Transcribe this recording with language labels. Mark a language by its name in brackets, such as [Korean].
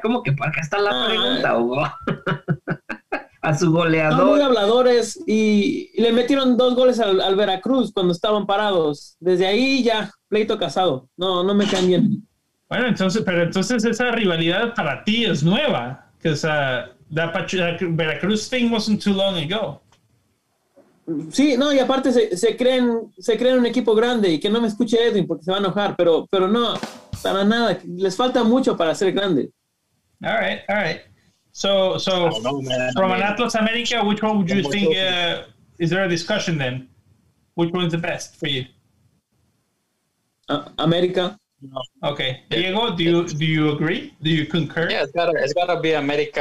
[Spanish] ¿Cómo que para acá está la pregunta, Hugo? A su goleador. Son muy habladores y le metieron 2 goles al Veracruz cuando estaban parados. Desde ahí ya, pleito casado. No me caen bien. Bueno, entonces esa rivalidad para ti es nueva. [English] Because that Veracruz thing wasn't too long ago. [Spanish] Sí, no, y aparte se creen un equipo grande, y que no me escuche Edwin porque se va a enojar, pero no, para nada, les falta mucho para ser grande. [English] All right. So from an Atlas America, which one would you think, is there a discussion then? Which one is the best for you? America. Okay. Diego, do you agree? Do you concur? Yeah, it's gotta be America.